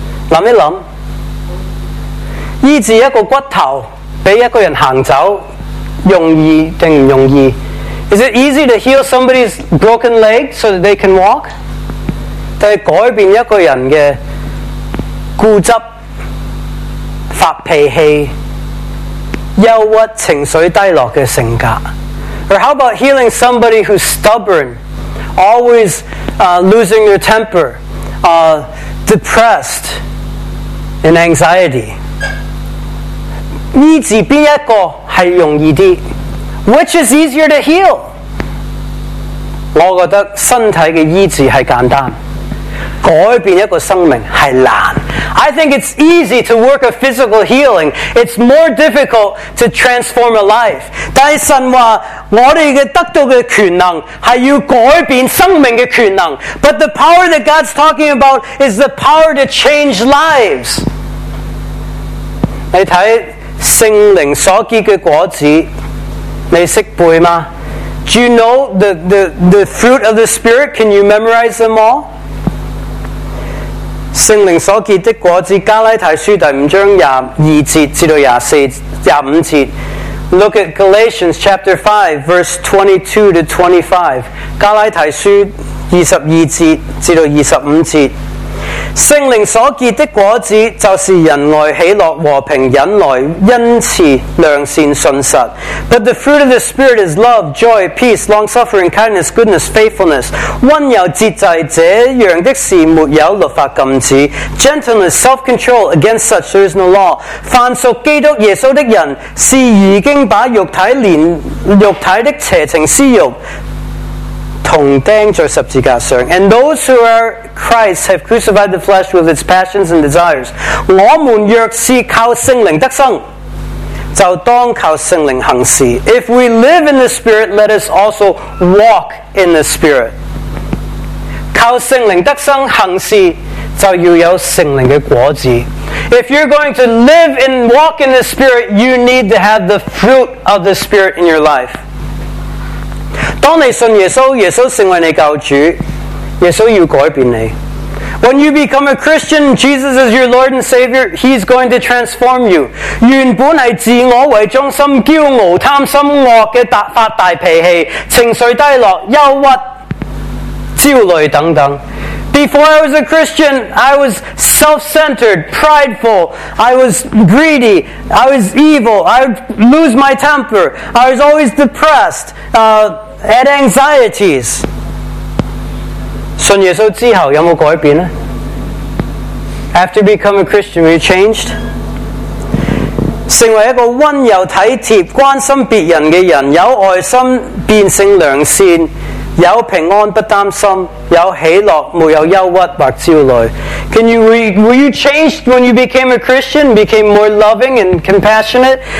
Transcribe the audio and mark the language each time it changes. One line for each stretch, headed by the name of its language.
Cantonese: 谂一谂，医治一个骨头俾一个人行走容易定唔容易？
English: Is it easy to heal somebody's broken leg so that they can walk?
Cantonese: 但系改变一个人嘅固执、发脾气、忧郁、情绪低落嘅性格。
English: Or how about healing somebody who's stubborn, always losing their temper, depressed, and anxiety?
Cantonese: 医治边一个系容易啲？
English: Which is easier to heal?
Cantonese: 我觉得身体嘅医治系简单，改变一个生命是难。
English: I think it's easy to work a physical healing. It's more difficult to transform a life.
Cantonese: 但神话我们得到的权能是要改变生命的权能。
English: But the power that God's talking about is the power to change lives.
Cantonese: 你看圣灵所结的果子，你识背吗？
English: Do you know the fruit of the Spirit? Can you memorize them all?
Cantonese: 圣灵所结的果子，加拉太书第五章22-25节。
English: Look at Galatians chapter 5, verse 22-25.
Cantonese: 加拉太书22-25节。圣灵所结的果子，就是仁爱、喜乐、和平、忍耐、恩慈、良善、信实。
English: But the fruit of the Spirit is love, joy, peace, long-suffering, kindness, goodness, faithfulness.
Cantonese: 温柔节制，这样的事没有律法禁止。
English: Gentleness, self-control, against such there is no law.
Cantonese: 凡属基督耶稣的人，是已经把肉体的邪情私欲同钉在十字架上。
English: And those who are Christ have crucified the flesh with its passions and desires.
Cantonese: 我们若是靠圣灵得生，就当靠圣灵行事。
English: If we live in the Spirit, let us also walk in the Spirit.
Cantonese: 靠圣灵得生行事，就要有圣灵的果子。
English: If you're going to live and walk in the Spirit, you need to have the fruit of the Spirit in your life.
Cantonese: 当你信耶稣，耶稣成为你救主，耶稣要改变你。
English: When you become a Christian, Jesus is your Lord and Savior. He's going to transform you.
Cantonese: 原本系自我为中心、骄傲、贪心、恶嘅大发大脾气、情绪低落、忧郁、焦虑等等。
English: Before I was a Christian, I was self-centered, prideful, I was greedy, I was evil, I would lose my temper, I was always depressed, had anxieties.
Cantonese: 信耶稣之后有没有改变呢？
English: After becoming a Christian, were you changed?
Cantonese: 成为一个温柔体贴、关心别人的人，有爱心，变成良善。有平安不担心，有喜乐没有忧郁或焦虑。
English: Can you were you changed when you became a Christian? Became more loving and compassionate?